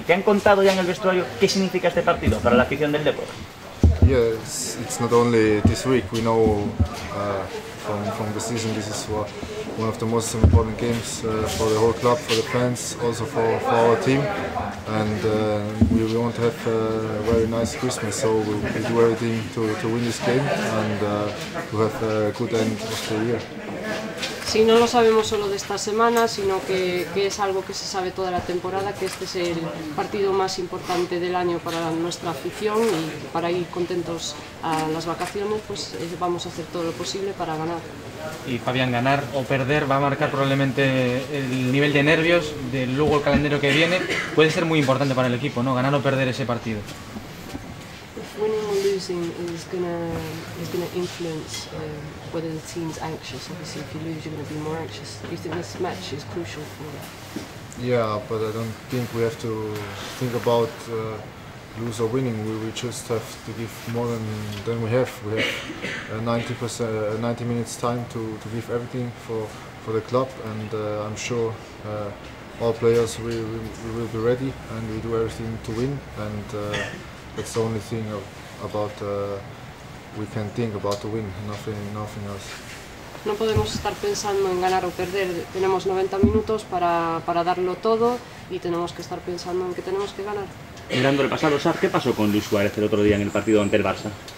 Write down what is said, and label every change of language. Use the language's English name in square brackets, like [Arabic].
[Spanish] ¿Te han contado ya en el vestuario qué significa este partido para la afición del Depor? [English] Yes, it's not only this week. We know from the season this is one of the most important games for the whole club, for the fans, also for our team. And we want to have a very nice Christmas, so we do everything to win this game and to have a good end of the year. [Spanish] Si no lo sabemos solo de esta semana, sino que es algo que se sabe toda la temporada, que este es el partido más importante del año para nuestra afición y para ir contentos a las vacaciones, pues vamos a hacer todo lo posible para ganar. Y Fabián, ganar o perder va a marcar probablemente el nivel de nervios de luego el calendario que viene. Puede ser muy importante para el equipo, ¿no? Ganar o perder ese partido. [English] Losing is gonna influence whether the team's anxious. Obviously, if you lose, you're gonna be more anxious. Do you think this match is crucial for that? Yeah, but I don't think we have to think about lose or winning. We just have to give more than we have. We have 90 minutes time to give everything for the club, and I'm sure all players we will be ready, and we do everything to win, and that's the only thing of. About we can think about the win, nothing else. [Spanish] No podemos estar pensando en ganar o perder. Tenemos 90 minutos para darlo todo y tenemos que estar pensando en que tenemos que ganar. Mirando el pasado, Sar, ¿qué pasó con Luis Suárez el otro día en el partido ante el Barça?